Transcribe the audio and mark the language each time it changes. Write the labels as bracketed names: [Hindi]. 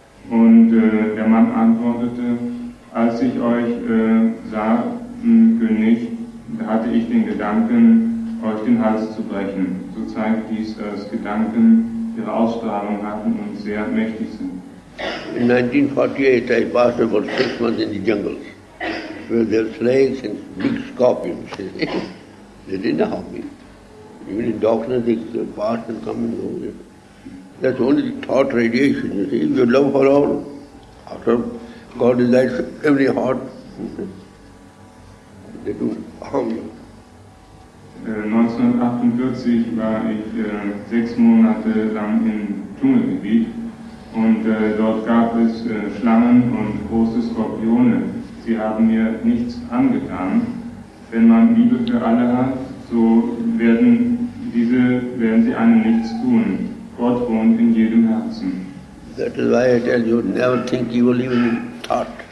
[German] Und der Mann antwortete, als ich euch sah, König, hatte ich den Gedanken, euch den Hals zu brechen. So zeigt dies, dass Gedanken ihre Ausstrahlung hatten und sehr mächtig sind. [English] In 1948 I passed about 6 months in the jungles, where there are snakes and big scorpions. They didn't harm me. Even in darkness they pass and come and go. That's only the thought radiation, you see. Your love for all, after God delights every heart, they do harm you. [German] 1948 war ich 6 Monate lang im Dschungelgebiet und dort gab es Schlangen und große Skorpione. Sie haben mir nichts angetan. Wenn man Liebe für alle hat, so werden sie einem nichts tun. Gott wohnt in jedem Herzen. [English] That is why I tell you, never think evil even in thought.